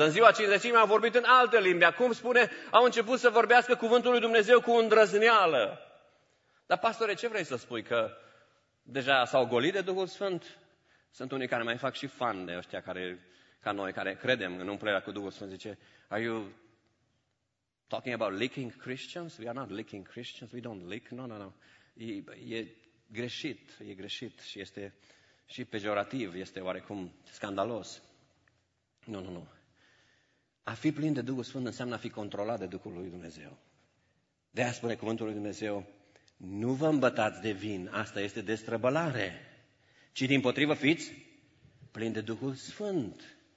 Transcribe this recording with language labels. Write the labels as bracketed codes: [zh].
[ro] În ziua cincizecimii au vorbit în alte limbi. Acum spune, au început să vorbească cuvântul lui Dumnezeu cu îndrăzneală. Dar, pastore, ce vrei să spui? Că deja s-au golit de Duhul Sfânt? Sunt unii care mai fac și fan de ăștia care, ca noi, care credem în umplerea cu Duhul Sfânt. [en] Zice, are you talking about leaking Christians? We are not leaking Christians. We don't leak. No, no, no. [ro] E greșit. E greșit și este și pejorativ. Este oarecum scandalos. Nu, nu, nu. A fi plin de Duhul Sfânt înseamnă a fi controlat de Duhul lui Dumnezeu. De aia spune cuvântul lui Dumnezeu, nu vă îmbătați de vin, asta este destrăbălare, ci dimpotrivă fiți plini de Duhul Sfânt.